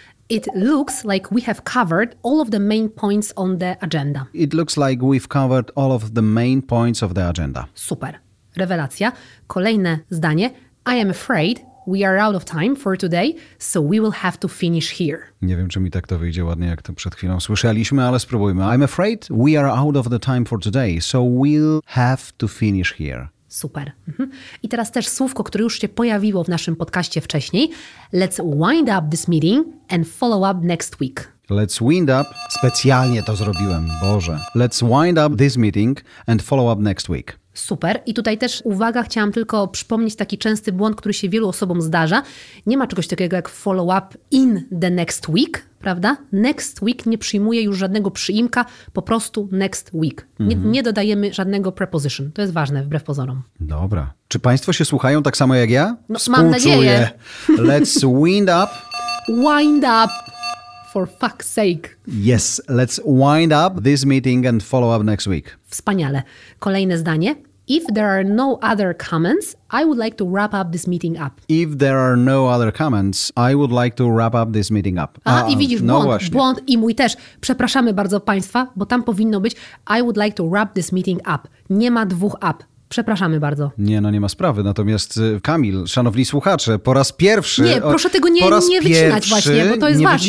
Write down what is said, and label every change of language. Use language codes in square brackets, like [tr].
[en] It looks like we have covered all of the main points on the agenda. It looks like we've covered all of the main points of the agenda. [pl] Super. Rewelacja. Kolejne zdanie. [en] I am afraid we are out of time for today, so we will have to finish here. [pl] Nie wiem, czy mi tak to wyjdzie ładnie, jak to przed chwilą słyszeliśmy, ale spróbujmy. [en] I'm afraid we are out of the time for today, so we'll have to finish here. [pl] Super. Mhm. I teraz też słówko, które już się pojawiło w naszym podcaście wcześniej. [en] Let's wind up this meeting and follow up next week. Let's wind up. [pl] Specjalnie to zrobiłem, Boże. [en] Let's wind up this meeting and follow up next week. [pl] Super. I tutaj też uwaga, chciałam tylko przypomnieć taki częsty błąd, który się wielu osobom zdarza. Nie ma czegoś takiego jak follow up in the next week, prawda? Next week nie przyjmuje już żadnego przyimka, po prostu next week. Nie dodajemy żadnego preposition. To jest ważne, wbrew pozorom. Dobra. Czy państwo się słuchają tak samo jak ja? No, mam nadzieję. [en] Let's wind up. Wind up. For fuck's sake. Yes, let's wind up this meeting and follow up next week. [pl] Wspaniale. Kolejne zdanie. [en] If there are no other comments, I would like to wrap up this meeting up. If there are no other comments, I would like to wrap up this meeting up. [pl] Aha, i widzisz, no błąd, właśnie. Błąd i mój też. Przepraszamy bardzo państwa, bo tam powinno być I would like to wrap this meeting up. Nie ma dwóch up. Przepraszamy bardzo. Nie, no nie ma sprawy. Natomiast Kamil, szanowni słuchacze, po raz pierwszy... Nie, proszę tego nie wycinać właśnie, bo to jest nie ważne.